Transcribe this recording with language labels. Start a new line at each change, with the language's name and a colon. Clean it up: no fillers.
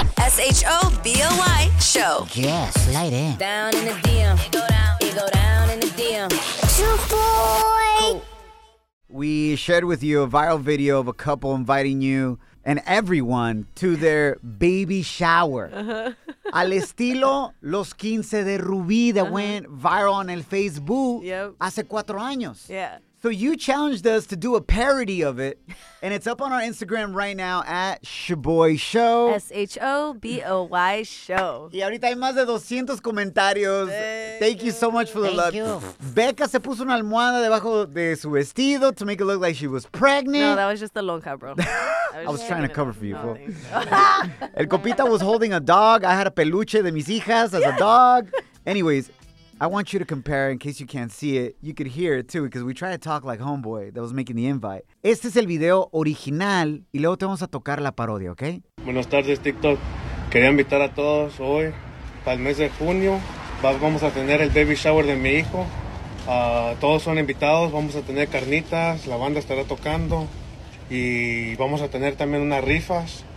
English: S-H-O-B-O-Y Show. Yeah, slide in. Down in the DM. It go down in the DM. Shaboy. Cool. shared with you a viral video of a couple inviting you and everyone to their baby shower. Uh-huh.
Spanish: Al estilo Los 15 de Rubí that uh-huh.
English: went viral on el Facebook yep.
Spanish: hace 4 años.
English: Yeah. So you challenged us to do a parody of it, and it's up on our Instagram right now at Shaboy Show. S-H-O-B-O-Y Show.
Spanish: Y ahorita hay más de 200 comentarios.
English: Thank you so much for the Thank You.
Spanish: Becca se puso una almohada debajo de su vestido
English: to make it look like she was pregnant. No, that was just the lonja, bro. I was trying to cover for you, fool. El Copita was holding a dog. I had a
Spanish: peluche de mis hijas
English: as a dog. Anyways, I want you to compare, in case you can't see it, you could hear it too, because we try to talk like homeboy that was making the invite.
Spanish: Este es el video original, y luego te vamos a tocar la parodia, ¿ok? Buenas tardes, TikTok. Quería invitar a todos hoy, para el mes de junio, vamos a tener el baby shower de mi hijo. Todos son invitados, vamos a tener carnitas, la banda estará tocando, y vamos a tener también unas rifas.